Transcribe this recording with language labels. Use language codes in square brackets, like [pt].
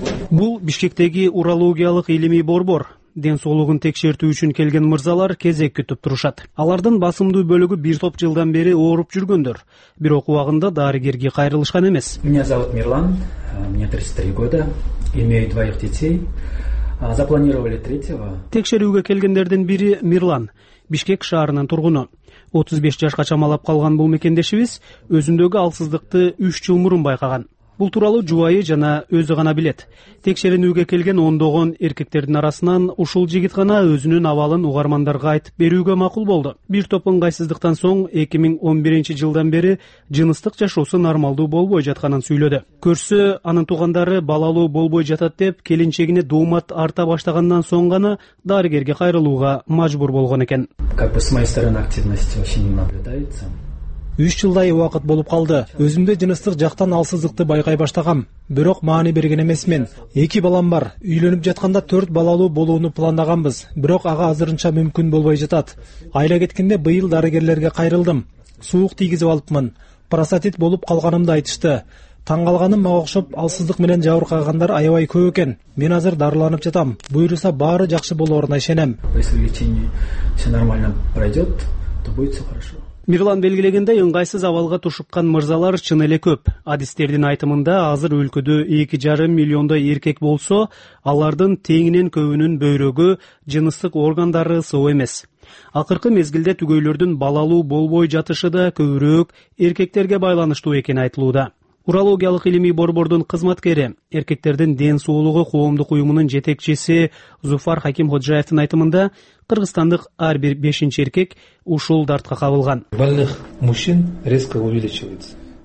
[ky] Бул Бишкектеги урологиялык илимий борбор. Ден соолугун текшертүү үчүн келген мырзалар кезек күтүп турушат. Алардын басымдуу бөлүгү бир топ жылдан бери ооруп жүргөндөр, бирок убагында дарыгерге кайрылышкан эмес. [ru] Меня зовут Мирлан, мне 33 года, имею двоих детей. Запланировали 3-го. [ky] Текшерүүгө келгендердин бири Мирлан, Бишкек шаарынын тургуну. 35 жашка чамалап калган бул мекендешибиз өзүндөгү алсыздыкты 3 жыл мурун байкаган. Бул тууралуу жубайы жана өзү гана билет. Текшеренүүгө келген ондогон эркектердин арасынан ушул жигит гана өзүнүн абалын угармандарга айтып берүүгө макул болду. Бир топ ыңгайсыздыктан соң 2011 жылдан бери жыныстык жашоосу нормалдуу болбой жатканын сүйлөдү. Көрсө, анын туугандары балалуу болбой жатат деп келинчегине доомат арта баштагандан соң гана дарыгерге кайрылууга мажбур болгон экен. [ru] Как бы с моей стороны активность очень не наблюдается. [ky] 3 жылдай убакыт болуп калды. Өзүмдө жыныстык жактан алсыздыкты байкай баштагам, бирок маани берген эмесмин. 2 балам бар. Үйлөнүп жатканда 4 балалуу болууну пландаганбыз, бирок ага азырынча мүмкүн болбой жатат. Айла кеткенде быйыл дарыгерлерге кайрылдым. Суук тийгизип алыпмын. Простатит болуп калганымды айтышты. Таң калганым мага окшоп алсыздык менен жабыркагандар аябай көп экен. Мен азыр дарыланып жатам. Буйруса баары жакшы болоруна ишенем. [ru] Если лечение все нормально пройдёт, то будет всё хорошо. [ky] Мирлан белгилегендей, ыңгайсыз абалга тушуккан мырзалар чын эле көп. Адистердин айтымында азыр өлкөдө 2,5 миллиондой эркек болсо, алардын теңинен көбүнүн бөйрөгү жыныстык органдары соо эмес. Акыркы мезгилде түгөйлөрдүн балалуу болбой жатышы да көбүрөөк эркектерге байланыштуу экени айтылууда. Урологиялык илимий борбордун кызматкери, эркектердин ден соолугу коомдук уюмунун жетекчиси Зуфар Хакимходжаевдин айтымында, кыргызстандык ар бир бешинчи эркек ушул дартка кабылган. [ru] Больных мужчин резко увеличивается.